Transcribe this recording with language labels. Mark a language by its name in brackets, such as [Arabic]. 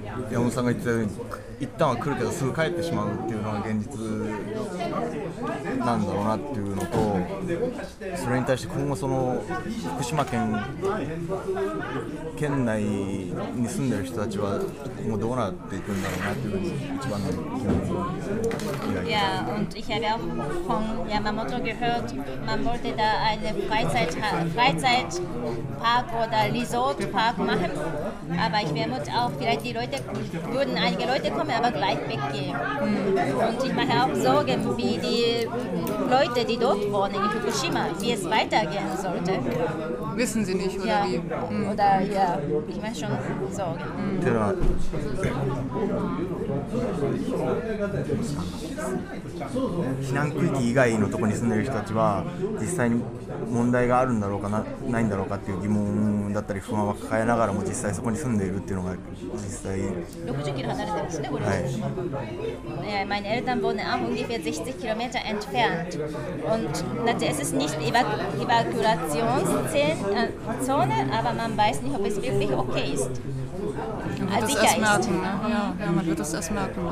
[Japanese] 山本さんが言ってたように一旦は来るけどすぐ帰ってしまうっていうのが現実なんだろうなっていうのと、それに対して今後その福島県内に住んでる人たちはもうどうなっていくんだろうなっていうのが一番の気分です。 [German] Ja, und ich habe auch von Yamamoto gehört, man wollte da einen Freizeitpark oder Resortpark machen. Aber ich vermute auch, vielleicht die Leute, würden einige Leute kommen, aber gleich weggehen. Und ich mache auch Sorgen, wie die Leute, die dort wohnen in Fukushima, wie es weitergehen sollte. Wissen sie nicht, oder ja. Wie? Oder ja, ich mache schon Sorgen. [Japanese] 避難区域以外のところに住んでる人たちは実際に問題があるんだろうか ないんだろうかっていう疑問だったり不安は抱えながらも実際そこに住んでいるっていうのが実際 60キロ離れてますね、これ。はい。 [German] Ja, meine Eltern wohnen auch ungefähr 60 Kilometer entfernt. Und natürlich ist es nicht Evakuationszone, aber man weiß nicht, ob es wirklich okay ist. Man wird das erst merken, ne? Ja, man wird das erst merken.